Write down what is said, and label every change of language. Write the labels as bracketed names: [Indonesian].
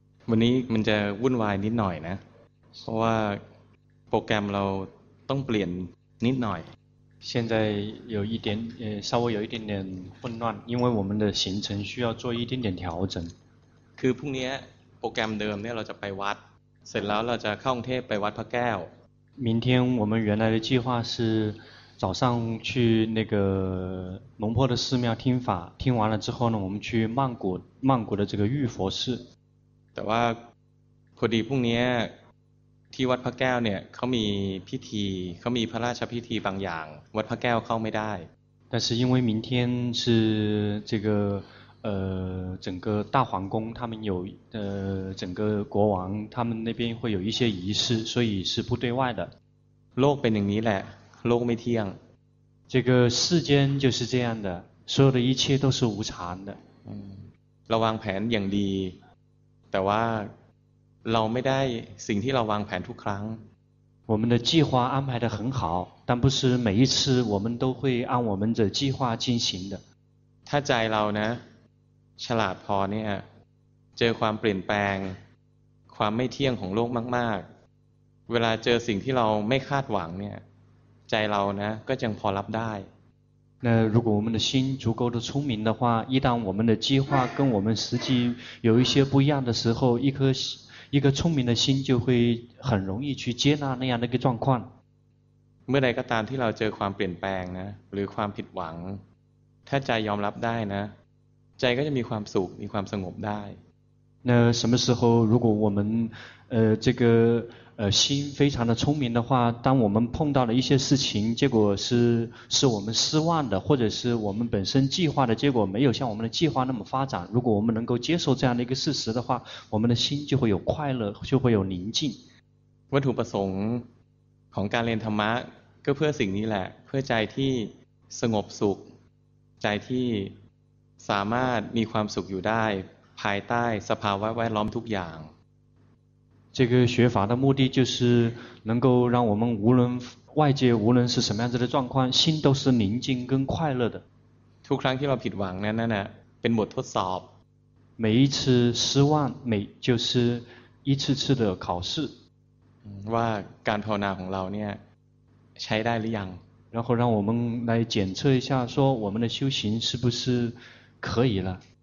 [Thai] วันนี้มันจะวุ่นวายนิดหน่อยนะเพราะว่าโปรแกรมเราต้องเปลี่ยนนิดหน่อย [Chinese] 现在有一点稍微有一点点混乱因为我们的行程需要做一点点调整 [Thai] คือพรุ่งนี้โปรแกรมเดิมเนี่ยเราจะไปวัดเสร็จแล้วเราจะเข้ากรุงเทพไปวัดพระแก้ว [Chinese] 明天我们原来的计划是早上去那个龙坡的寺庙听法听完了之后呢我们去曼谷的这个玉佛寺 [Thai] แต่ว่าพอดีพรุ่งนี้ที่วัดพระแก้วเนี่ยเขามีพิธีเขามีพระราชพิธีบางอย่างวัดพระแก้วเข้าไม่ได้ [Chinese] 但是因为明天是这个整个大皇宫他们有整个国王他们那边会有一些仪式所以是不对外的 [Thai] โลกเป็นอย่างนี้แหละโลกไม่เที่ยง [Chinese] 这个世间就是这样的所有的一切都是无常的 [Thai] ระวังแผนอย่างดีแต่ว่าเราไม่ได้สิ่งที่เราวางแผนทุกครั้ง [Chinese] 我们的计划安排得很好但不是每一次我们都会按我们的计划进行的 [Thai] ถ้าใจเรานะฉลาดพอเนี่ยเจอความเปลี่ยนแปลงความไม่เที่ยงของโลกมากๆเวลาเจอสิ่งที่เราไม่คาดหวังเนี่ยใจเรานะก็จังพอรับได้ [Chinese] 那如果我们的心足够的聪明的话一旦我们的计划跟我们实际有一些不一样的时候一颗聪明的心就会很容易去接纳那样的一个状况 [Thai] เมื่อใดก็ตามที่เราเจอความเปลี่ยนแปลงนะหรือความผิดหวังถ้าใจยอมรับได้นะใจก็จะมีความสุขมีความสงบได้ [Chinese] 那什么时候如果我们这个心非常的聪明的话当我们碰到了一些事情结果是我们失望的或者是我们本身计划的结果没有像我们的计划那么发展如果我们能够接受这样的一个事实的话我们的心就会有快乐就会有宁静 [Thai] วัตถุประสงค์ของการเรียนธรรมะก็เพื่อสิ่งนี้แหละเพื่อใจที่สงบสุขใจที่สามารถมีความสุขอยู่ได้ภายใต้สภาวะแวดล้อมทุกอย่าง [Chinese] 这个学法的目的就是能够让我们无论外界无论是什么样子的状况心都是宁静跟快乐的 [Thai] ทุกครั้งที่เราผิดหวังนั่นเป็นบททดสอบ [Chinese] 每一次失望每就是一次次的考试 [Thai] ว่าการภาวนาของเราเนี่ยใช้ได้หรือยัง [Chinese] 然后让我们来检测一下说我们的修行是不是可以了